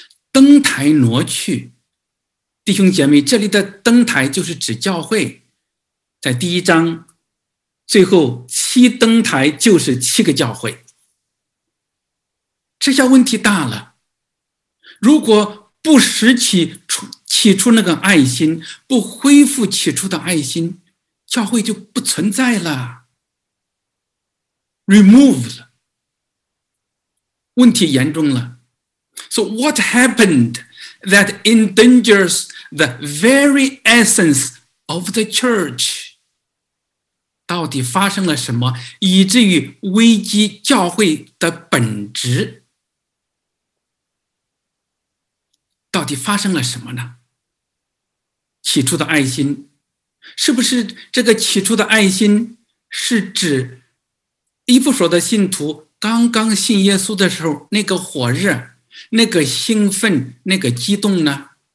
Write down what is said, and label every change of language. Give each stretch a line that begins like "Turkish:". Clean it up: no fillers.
Chinese: 灯台挪去，弟兄姐妹，这里的灯台就是指教会，在第一章，最后七灯台就是七个教会，这下问题大了，如果不拾起起初那个爱心，不恢复起初的爱心，教会就不存在了。
English: Removed 了，
Chinese: 问题严重了。
English: So what happened that endangers the very essence of the church?
Chinese: 到底发生了什么，以至于危及教会的本质？到底发生了什么呢？起初的爱心，是不是这个起初的爱心是指以弗所的信徒刚刚信耶稣的时候那个火热、那个兴奋、那个激动呢？